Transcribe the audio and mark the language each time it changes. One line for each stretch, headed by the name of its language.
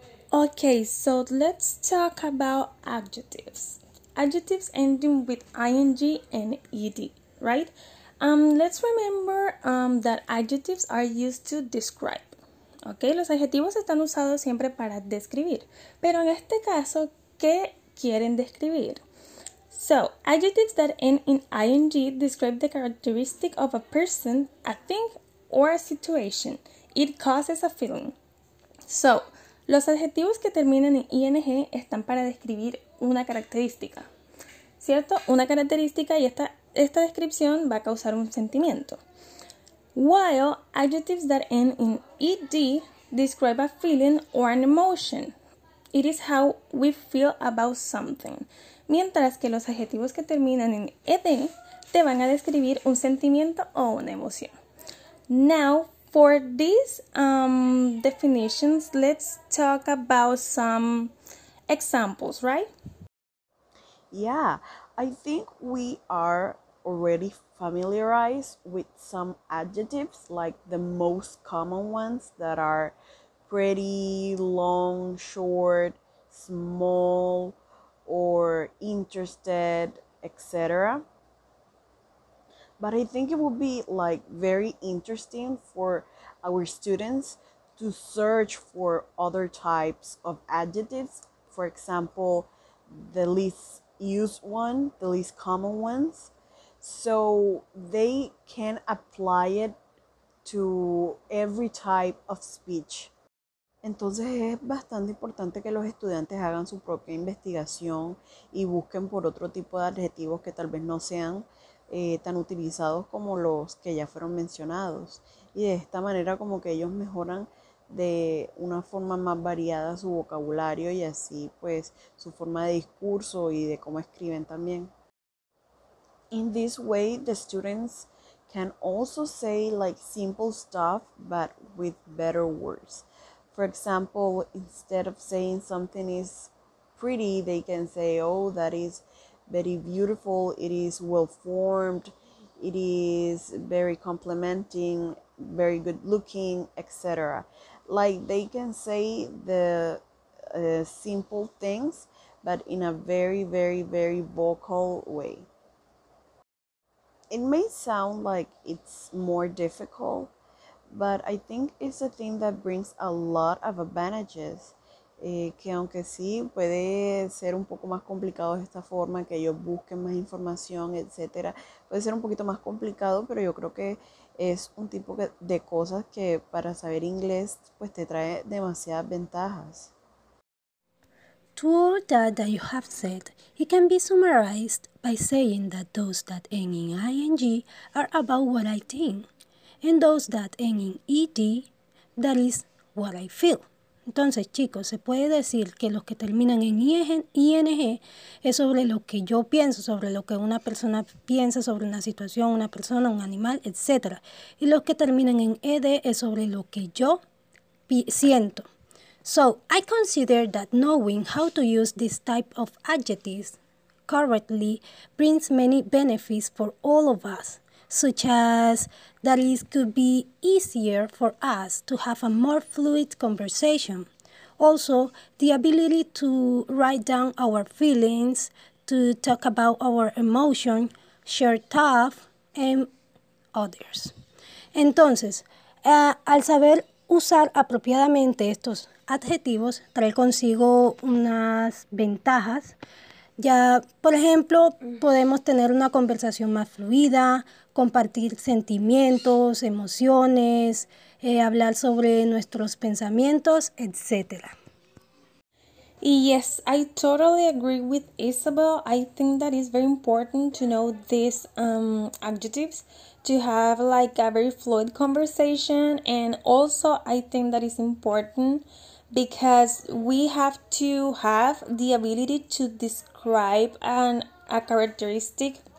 English: Okay, so let's talk about adjectives. Adjectives ending with ing and ed, right? Let's remember that adjectives are used to describe.
Spanish: Okay, los adjetivos están usados siempre para describir. Pero en este caso, ¿qué quieren describir?
English: So, adjectives that end in ing describe the characteristic of a person, a thing, or a situation. It causes a feeling.
Spanish: So, los adjetivos que terminan en ing están para describir una característica, ¿cierto? Una característica y esta descripción va a causar un sentimiento.
English: While adjectives that end in ed describe a feeling or an emotion. It is how we feel about something.
Spanish: Mientras que los adjetivos que terminan en ed te van a describir un sentimiento o una emoción.
English: Now, for these definitions, let's talk about some examples, right? Yeah, I think we are already familiarized with some adjectives, like the most common ones that are pretty, long, short, small, or interested, etc. But I think it would be like very interesting for our students to search for other types of adjectives. For example, the least used one, the least common ones. So they can apply it to every type of speech.
Spanish: Entonces es bastante importante que los estudiantes hagan su propia investigación y busquen por otro tipo de adjetivos que tal vez no sean tan utilizados como los que ya fueron mencionados. Y de esta manera como que ellos mejoran de una forma más variada su vocabulario y así pues su forma de discurso y de cómo escriben también.
English: In this way, the students can also say like simple stuff but with better words. For example, instead of saying something is pretty, they can say, oh, that is very beautiful, it is well-formed, it is very complimenting, very good-looking, etc. Like, they can say the simple things, but in a very, very, very vocal way. It may sound like it's more difficult, but I think it's a thing that brings a lot of advantages.
Spanish: Que aunque sí puede ser un poco más complicado de esta forma, que ellos busquen más información, etc. Puede ser un poquito más complicado, pero yo creo que es un tipo de cosas que para saber inglés pues te trae demasiadas ventajas.
English: To all that you have said, it can be summarized by saying that those that end in ing are about what I think, and those that end in ed, that is what I feel.
Spanish: Entonces, chicos, se puede decir que los que terminan en ing es sobre lo que yo pienso, sobre lo que una persona piensa, sobre una situación, una persona, un animal, etc. Y los que terminan en ed es sobre lo que yo siento.
English: So, I consider that knowing how to use this type of adjectives correctly brings many benefits for all of us, such as that it could be easier for us to have a more fluid conversation. Also, the ability to write down our feelings, to talk about our emotion, share thoughts, and others.
Spanish: Entonces, al saber usar apropiadamente estos adjetivos, trae consigo unas ventajas. Ya, por ejemplo, podemos tener una conversación más fluida, compartir sentimientos, emociones, hablar sobre nuestros pensamientos, etc.
English: Yes, I totally agree with Isabel. I think that it's very important to know these adjectives to have like a very fluid conversation. And also, I think that it's important because we have to have the ability to describe a characteristic